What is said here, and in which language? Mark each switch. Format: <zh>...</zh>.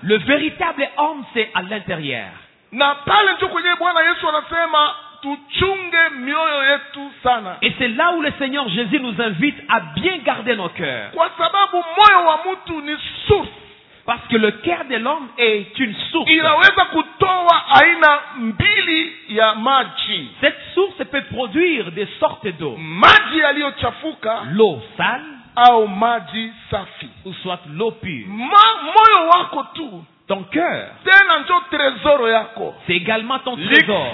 <fr>Le véritable homme c'est à l'intérieur.</fr> <sw>Na pale ndio kwenye Bwana Yesu anasema tuchunge mioyo yetu sana.</sw> <fr>Et c'est là où le Seigneur Jésus nous invite à bien garder nos cœurs.</fr> <sw>Kwa sababu moyo wa mtu ni source.</sw> <fr>Parce que le cœur de l'homme est une source.</fr> <sw>Inaweza kutoa aina mbili ya maji.</sw> <fr>Cette source peut produire des sortes d'eau.</fr> <sw>Maji yaliyochafuka,</sw> <fr>l'eau sale,</fr> <sw>au maji safi,</sw> <fr>ou soit l'eau pure.</fr> <sw>Moyo wako tu,</sw> <fr>ton cœur,</fr> <sw>tena ndio trésor yako.</sw> <fr>C'est également ton trésor.</fr>